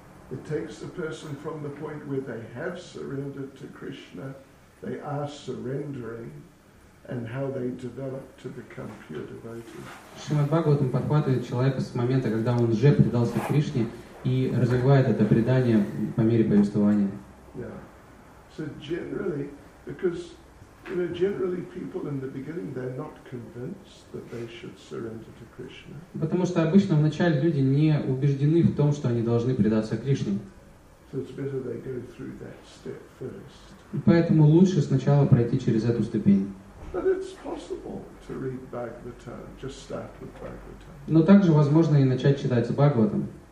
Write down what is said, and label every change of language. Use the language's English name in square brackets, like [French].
[English] It takes the person from the point where they have surrendered to Krishna, they are surrendering. And how they develop to become pure devotees. [Russian] Шримад Бхагаватам подхватывает человека с момента, когда он уже предался Кришне, и развивает это предание по мере повествования. [English] Yeah. So generally, because generally people in the beginning they're not convinced that they should surrender to Krishna. [Russian] Потому что обычно вначале люди не убеждены в том, что они должны предаться Кришне. [English] So it's better they go through that step first. [Russian] И поэтому лучше сначала пройти через эту ступень. [English] But it's possible to read Bhagavatam, just start with Bhagavatam. [Russian] Но также возможно и начать читать с Бхагаватам.